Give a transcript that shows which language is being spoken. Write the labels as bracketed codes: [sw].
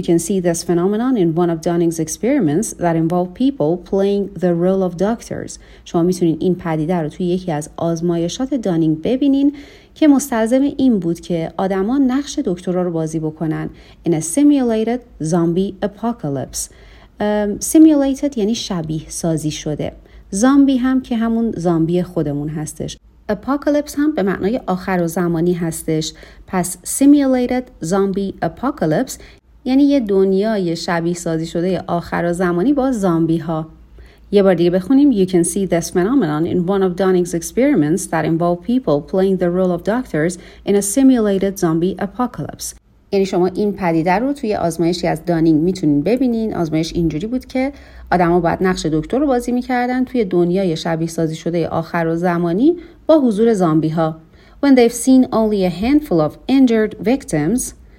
[en] You can see this phenomenon in one of Dunning's experiments that involved people playing the role of doctors. [fa] شما میتونین این پدیده رو توی یکی از آزمایشات دانینگ ببینین که مستلزم این بود که آدما نقش دکترها رو بازی بکنن. [en] In a simulated zombie apocalypse. [fa] Simulated یعنی شبیه سازی شده. زامبی هم که همون زامبی خودمون هستش. Apocalypse هم به معنای آخر و زمانی هستش. پس [en] simulated zombie apocalypse [fa] یعنی یه دنیای شبیه سازی شده آخر و زمانی با زامبی ها. یه بار دیگه بخونیم. [en] You can see this phenomenon in one of Dunning's experiments that involved people playing the role of doctors in a simulated zombie apocalypse. [fa] یعنی شما این پدیده رو توی آزمایشی از دانینگ میتونین ببینین. آزمایش اینجوری بود که آدم ها باید نقش دکتر رو بازی میکردن توی دنیای شبیه سازی شده آخر و زمانی با حضور زامبی ها. [en] When they've seen only a handful of injured victims,